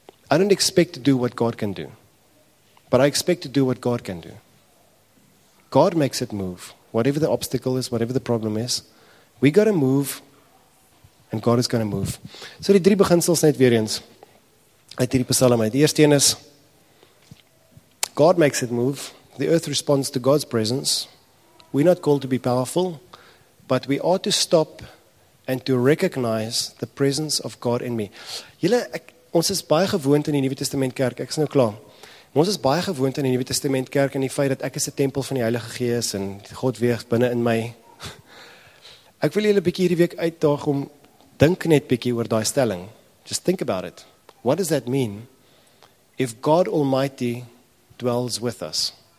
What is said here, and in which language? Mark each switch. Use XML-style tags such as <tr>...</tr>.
<en>I don't expect to do what God can do. But I expect to do what God can do. God makes it move. Whatever the obstacle is, whatever the problem is, we got to move and God is going to move.</en> <af>So die drie beginsels net weer eens uit hierdie Psalm. Die eerste een is</af> <en>God makes it move.</en> <af>The earth responds to God's presence.</af> <en>We're not called to be powerful, but we ought to stop and to recognize the presence of God in me.</en> <af>Julle, ons is baie gewoond in die Nuwe Testament kerk. Ek is nou klaar. Ons is baie gewoond in die Nuwe Testament kerk in die feit dat ek is 'n tempel van die Heilige Gees en God weeg binne in my. Ek wil julle 'n bietjie hierdie week uitdaag om dink net bietjie oor daai stelling.</af> <en>Just think about it. What does that mean if God Almighty dwells with us?</en>